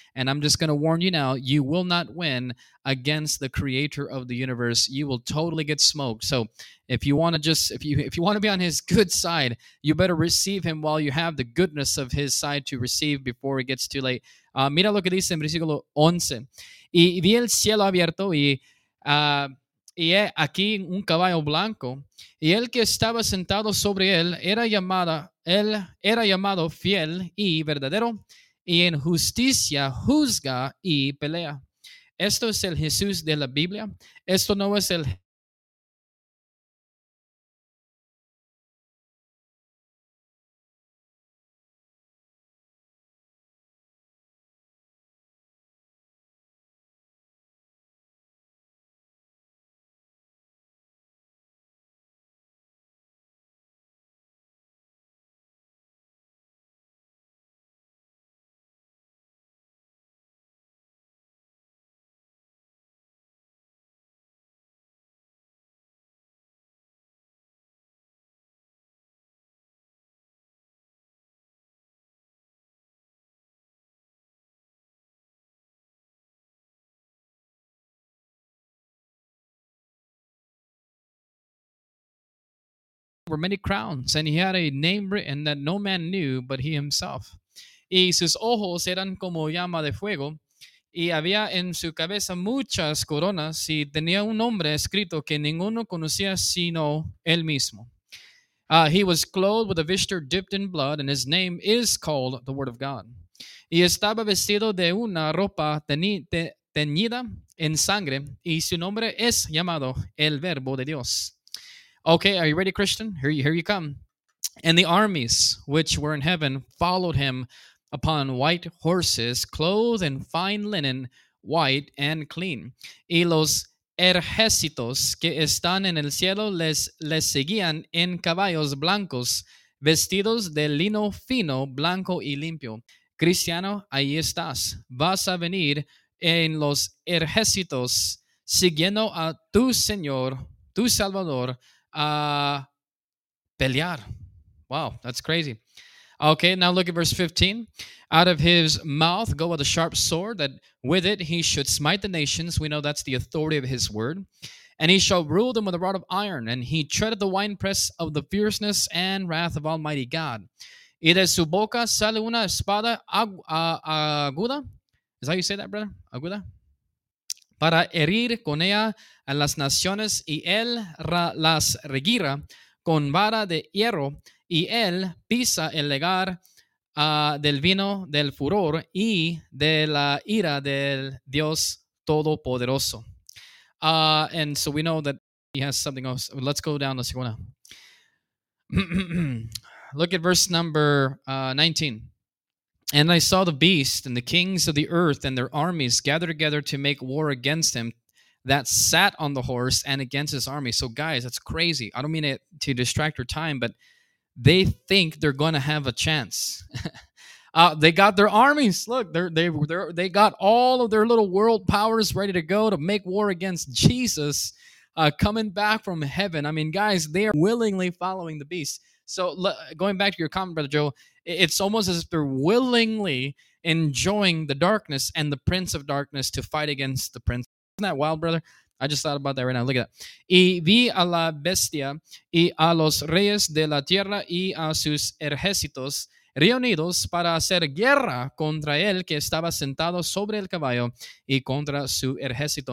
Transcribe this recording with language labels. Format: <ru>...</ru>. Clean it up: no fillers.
<en>And I'm just going to warn you now, you will not win against the creator of the universe. You will totally get smoked. So if you want to just, if you want to be on his good side, you better receive him while you have the goodness of his side to receive before it gets too late.</en> <es>Mira lo que dice en versículo 11. Y vi el cielo abierto y aquí un caballo blanco, y el que estaba sentado sobre él era llamado fiel y verdadero, y en justicia juzga y pelea. Esto es el Jesús de la Biblia. Esto no es el</es> <en>were many crowns, and he had a name written that no man knew but he himself.</en> <es>Y sus ojos eran como llama de fuego, y había en su cabeza muchas coronas, y tenía un nombre escrito que ninguno conocía sino él mismo.</es> <en>He was clothed with a vesture dipped in blood, and his name is called the Word of God.</en> <es>Y estaba vestido de una ropa teñida en sangre, y su nombre es llamado el Verbo de Dios.</es> <en>Okay, are you ready, Christian? Here you come. And the armies which were in heaven followed him upon white horses, clothed in fine linen, white and clean.</en> <es>Y los ejércitos que están en el cielo les seguían en caballos blancos, vestidos de lino fino, blanco y limpio. Cristiano, ahí estás. Vas a venir en los ejércitos siguiendo a tu Señor, tu Salvador, pelear.</es> <en>Wow, that's crazy. Okay, now look at verse 15. Out of his mouth goeth a sharp sword, that with it he should smite the nations. We know that's the authority of his word. And he shall rule them with a rod of iron, and he treadeth the winepress of the fierceness and wrath of Almighty God.</en> <es>Y de su boca sale una espada aguda.</es> <en>Is that how you say that, brother?</en> <es>Aguda? Para herir con ella a las naciones, y él las regirá con vara de hierro, y él pisa el lagar del vino del furor y de la ira del Dios Todopoderoso.</es> <en>And so we know that he has something else. Let's go down to Sigona. Look at verse number 19. And I saw the beast and the kings of the earth and their armies gather together to make war against him that sat on the horse and against his army. So guys, that's crazy. I don't mean it to distract your time, but they think they're going to have a chance. They got their armies. Look, they got all of their little world powers ready to go to make war against Jesus coming back from heaven. I mean, guys, they are willingly following the beast. So going back to your comment, Brother Joe, it's almost as if they're willingly enjoying the darkness and the prince of darkness to fight against the prince. Isn't that wild, brother? I just thought about that right now. Look at that.</en> <es>Y vi a la bestia y a los reyes de la tierra y a sus ejércitos reunidos para hacer guerra contra él que estaba sentado sobre el caballo y contra su ejército.</es>